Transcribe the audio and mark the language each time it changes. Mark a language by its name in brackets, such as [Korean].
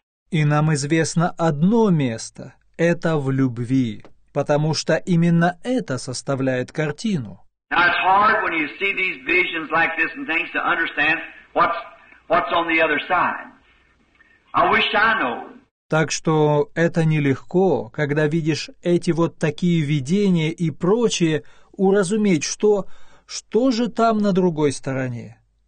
[Russian] И нам известно одно место – это в любви. потому что именно это составляет картину. [English] Now it's hard when you see these visions like this and things to understand what's on the other side. I wish I knew. [Russian] Так что это нелегко, когда видишь эти вот такие видения и прочее, уразуметь, что же там на другой стороне.